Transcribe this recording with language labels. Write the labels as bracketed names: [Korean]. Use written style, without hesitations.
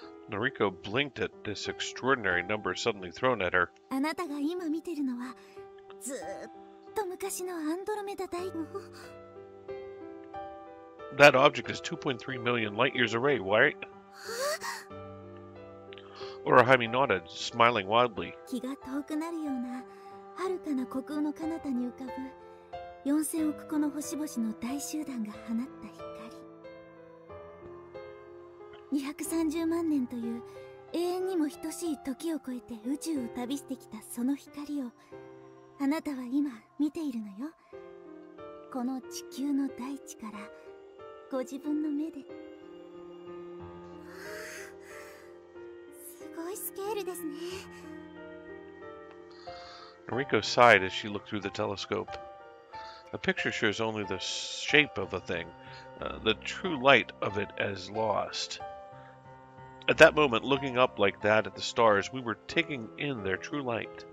[English] Noriko blinked at this extraordinary number suddenly thrown at her. [Japanese] あなたが今見てるのはずっと昔のアンドロメダ大群。 [English] That object is 2.3 million light years away, right? Orohime nodded, smiling wildly. [Japanese] 気が遠くなるような遥かな虚空の彼方に浮かぶ4000億個の星々の大集団が放った光。 230万年という永遠にも等しい時を超えて宇宙を旅してきたその光をあなたは今見ているのよ。この地球の大地からご自分の目で。すごいスケールですね。 [English] Noriko sighed as she looked through the telescope. A picture shows only the shape of a thing, the true light of it as lost. At that moment, looking up like that at the stars, we were taking in their true light.